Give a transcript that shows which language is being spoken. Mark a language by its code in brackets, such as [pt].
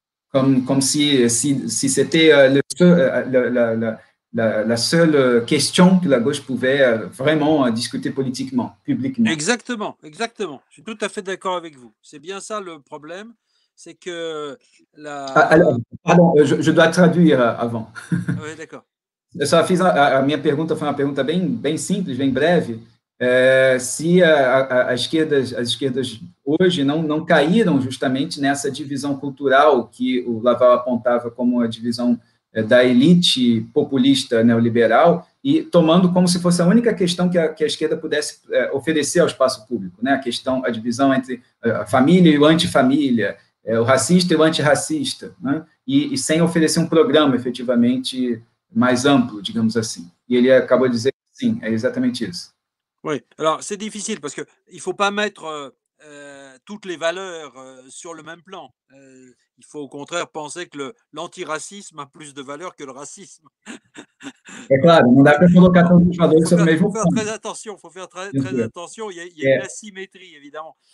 [fr] comme si c'était la seule question que la gauche pouvait vraiment discuter politiquement, publiquement. Exactement. Je suis tout à fait d'accord avec vous. C'est bien ça le problème, c'est que la... Je dois traduire avant. Oui, d'accord. [pt] Eu só fiz a minha pergunta foi uma pergunta bem, bem simples, bem breve. Se as esquerdas hoje não caíram justamente nessa divisão cultural que o Laval apontava como a divisão da elite populista neoliberal, e tomando como se fosse a única questão que a esquerda pudesse oferecer ao espaço público, né? A divisão entre a família e o antifamília, o racista e o antirracista, né? E sem oferecer um programa efetivamente mais amplo, digamos assim. E ele acabou de dizer que sim, é exatamente isso. [fr] Oui, alors c'est difficile parce qu'il ne faut pas mettre toutes les valeurs sur le même plan. Il faut au contraire penser que l'antiracisme a plus de valeur que le racisme. C'est clair, on a plus de 14 valeurs sur le même plan. Il faut faire très attention, il y a une asymétrie évidemment.